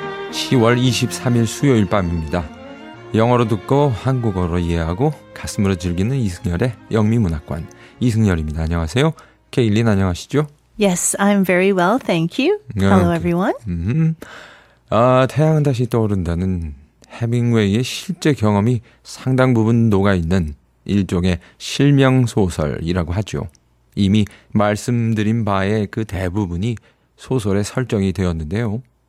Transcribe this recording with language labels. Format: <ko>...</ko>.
<ko>10월 23일 수요일 밤입니다. 영어로 듣고 한국어로 이해하고 가슴으로 즐기는 이승열의 영미문학관, 이승열입니다. 안녕하세요. 케일린, 안녕하시죠?</ko> <en>Yes, I'm very well, thank you. Hello, everyone.</en> <ko>아, 태양은 다시 떠오른다는 헤밍웨이의 실제 경험이 상당 부분 녹아있는 일종의 실명소설이라고 하죠. 이미 말씀드린 바의 그 대부분이 소설의 설정이 되었는데요.</ko>